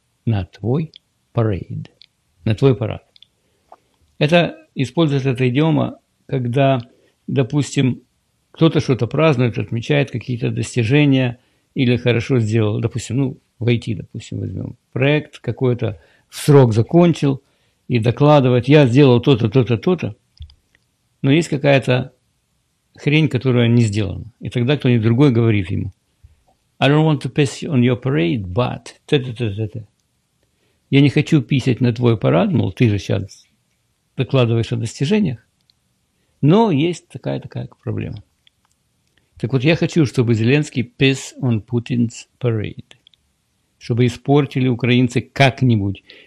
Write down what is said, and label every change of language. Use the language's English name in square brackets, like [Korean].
[Russian] На твой parade. На твой парад. Это используется эта идиома, когда, допустим, кто-то что-то празднует, отмечает какие-то достижения или хорошо сделал. Допустим, ну, в IT, допустим, возьмем проект какой-то, в срок закончил, и докладывать, я сделал то-то, то-то, то-то, но есть какая-то хрень, которая не сделана. И тогда кто-нибудь другой говорит ему, [English] I don't want to piss on your parade, but... [Russian] Та-та-та-та-та. Я не хочу писать на твой парад, мол, ты же сейчас докладываешь о достижениях, но есть такая-такая проблема. Так вот, я хочу, чтобы Зеленский [English] piss on Putin's parade, [Russian] чтобы испортили украинцы как-нибудь.